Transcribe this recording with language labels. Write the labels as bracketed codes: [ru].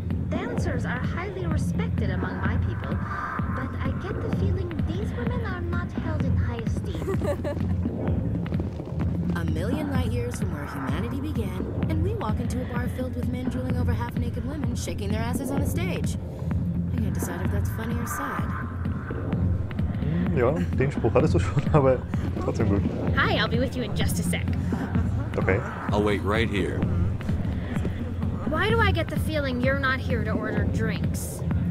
[en] Dancers are highly respected among my people, but I get the feeling these women are not held in high esteem. A million light years from where humanity began, and we walk into a bar filled with men drooling over half-naked women, shaking their asses on a stage. I can't decide if that's funny or sad. [de] Ja, den Spruch hattest du schon, aber trotzdem gut. [en] Hi, I'll be with you in just a sec. Okay. I'll wait right here. Why do I get the feeling you're not here to order drinks?